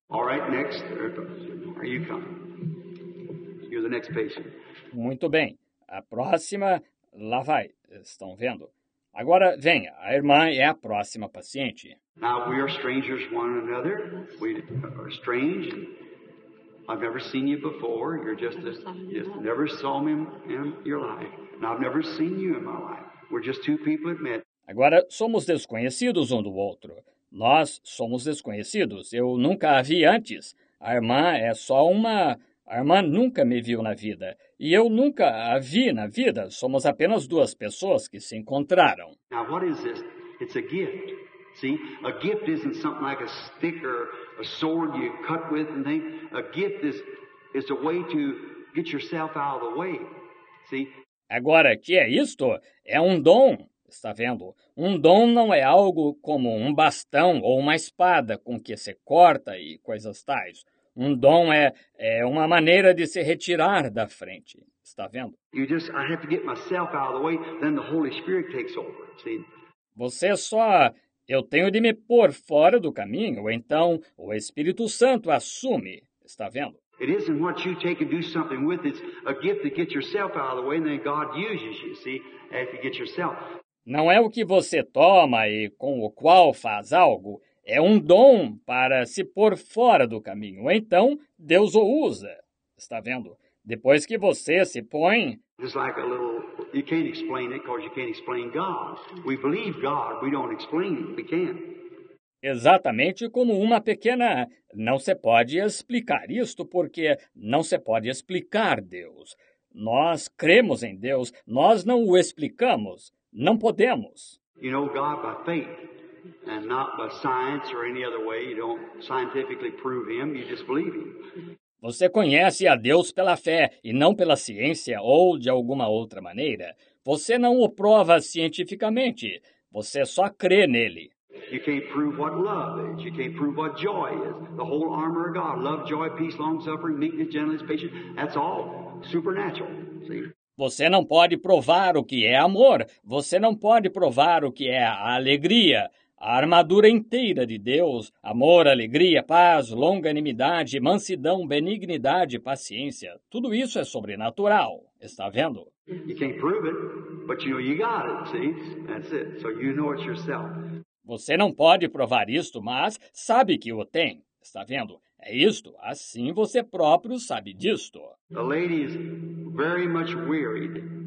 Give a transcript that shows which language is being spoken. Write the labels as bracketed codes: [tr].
[en] All right, next. Are you coming? You're the next patient. [pt] Muito bem. A próxima, lá vai. Estão vendo? Agora, venha. A irmã é a próxima paciente. [en] Now, we are strangers one another. We are strange. I've never seen you before. You're just a... Just never saw me in your life. Now, I've never seen you in my life. We're just two people that met. [pt] Agora, somos desconhecidos um do outro. Nós somos desconhecidos. Eu nunca a vi antes. A irmã é só uma... A irmã nunca me viu na vida. E eu nunca a vi na vida. Somos apenas duas pessoas que se encontraram. [en] Now, what is this? It's a gift. See? A gift isn't something like a stick or a sword you cut with and things. A gift is a way to get yourself out of the way. See? [pt] Agora, que é isto? É um dom. Está vendo? Um dom não é algo como um bastão ou uma espada com que se corta e coisas tais. Um dom é uma maneira de se retirar da frente. Está vendo? [en] I have to get myself out of the way, then the Holy Spirit takes over. See? [pt] Você só... Eu tenho de me pôr fora do caminho, então o Espírito Santo assume. Está vendo? [en] It isn't what you take and do something with. It's a gift to get yourself out of the way, and then God uses you, see? If you get yourself... [pt] Não é o que você toma e com o qual faz algo. É um dom para se pôr fora do caminho. Então, Deus o usa. Está vendo? Depois que você se põe... [en] It's like a little... You can't explain it because you can't explain God. We believe God. We don't explain it. We can't. [pt] Exatamente como uma pequena... Não se pode explicar isto porque não se pode explicar Deus. Nós cremos em Deus. Nós não o explicamos. Não podemos. [en] You know God by faith and not by science or any other way. You don't scientifically prove him, you just believe him. [pt] Você conhece a Deus pela fé e não pela ciência ou de alguma outra maneira. Você não o prova cientificamente. Você só crê nele. [en] You can't prove what love is. You can't prove what joy is. The whole armor of God. Love, joy, peace, long-suffering, meekness, gentleness, patience. That's all supernatural. See? [pt] Você não pode provar o que é amor. Você não pode provar o que é a alegria. A armadura inteira de Deus. Amor, alegria, paz, longanimidade, mansidão, benignidade, paciência. Tudo isso é sobrenatural. Está vendo? [en] You can't prove it, but you know you got it, see? That's it. So you know it yourself. [pt] Você não pode provar isto, mas sabe que o tem. Está vendo? É isto. Assim você próprio sabe disto. [en] The lady is very much wearied.